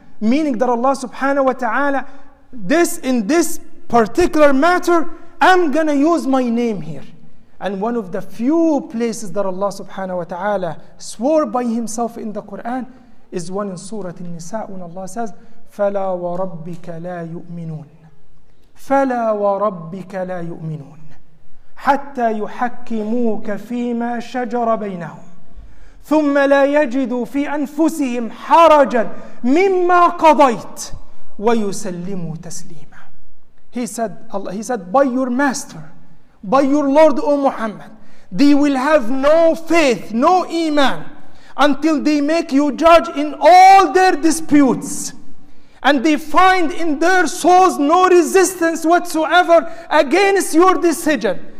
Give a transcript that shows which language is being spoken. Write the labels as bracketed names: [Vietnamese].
[English] Meaning that Allah subhanahu wa ta'ala, in this particular matter, I'm going to use my name here. And one of the few places that Allah subhanahu wa ta'ala swore by Himself in the Quran is one in Surah An-Nisa when Allah says, [Arabic] فَلَا وَرَبِّكَ لَا يُؤْمِنُونَ. فلا وربك لا يؤمنون حتى يحكموك فيما شجر بينهم ثم لا يجدوا في أنفسهم حرجا مما قضيت ويسلموا تسليما. [English] He said, by your master, by your Lord, O Muhammad, they will have no faith, no iman, until they make you judge in all their disputes, and they find in their souls no resistance whatsoever against your decision.